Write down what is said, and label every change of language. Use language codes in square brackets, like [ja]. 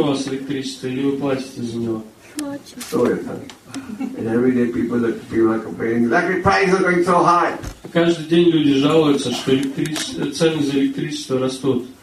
[ru] у вас электричество или вы платите за него? Платим. [en] And every day people are complaining, electric prices are going so high. [ru] Каждый день люди жалуются, что цены за электричество растут.